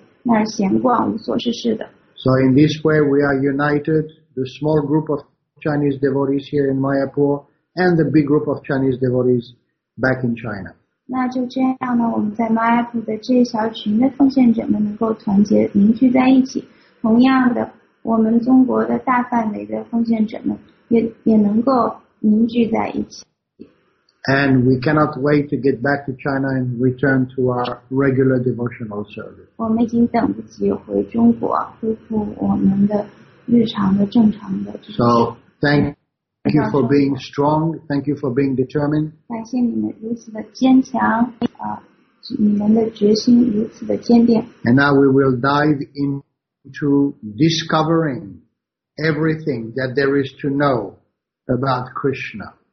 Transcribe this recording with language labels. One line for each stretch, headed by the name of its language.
Chinese: 那中国的奉献者每天都一个一个活动，一个一个节目的参加，也是非常的忙碌。我还没有看到哪个奉献者在那儿闲逛，无所事事的。
English: So in this way, we are united, the small group of Chinese devotees here in Mayapur and the big group of Chinese devotees back in China.
Chinese: 那就这样呢，我们在Mayapur的这一小群的奉献者们能够团结凝聚在一起。同样的，我们中国的大范围的奉献者们也能够凝聚在一起。
English: And we cannot wait to get back to China and return to our regular devotional service.
Chinese: 我们已经等不及回中国，恢复我们的日常的正常的。
English: Thank you for being strong. Thank you for being determined.
Chinese: 感谢你们如此的坚强，你们的决心如此的坚定。
English: And now we will dive into discovering everything that there is to know about Krishna.